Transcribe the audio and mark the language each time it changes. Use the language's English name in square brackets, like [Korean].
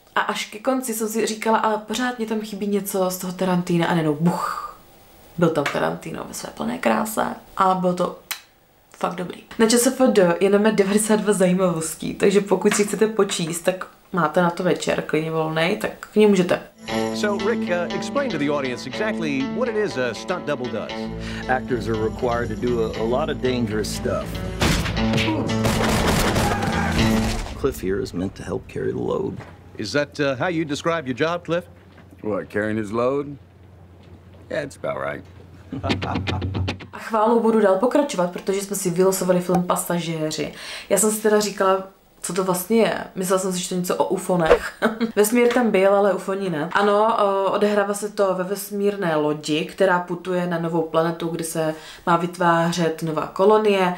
[Czech] A až ke konci jsem si říkala, ale pořád mě tam chybí něco z toho Tarantina a nejednou buch, byl tam Tarantino ve své plné kráse a bylo to fakt dobrý. Na ČSFD je na mě 92 zajímavostí, takže pokud si chcete počíst, tak máte na to večer, klidně volnej, tak k ní můžete. [English] So Rick, explain to the audience exactly what it is a stunt double does. Actors are required to do a lot of dangerous stuff. Cliff here is meant to help carry the load. Is that how you describe your job, Cliff? What, carrying his load? Yeah, it's about right. [Czech] A chválu budu dál pokračovat, protože jsme si vylosovali film Pasažéři. Já jsem si teda říkala, co to vlastně je? Myslela jsem si, že to něco o ufonech. Vesmír tam byl, ale ufoni ne. Ano, odehrává se to ve vesmírné lodi, která putuje na novou planetu, kde se má vytvářet nová kolonie.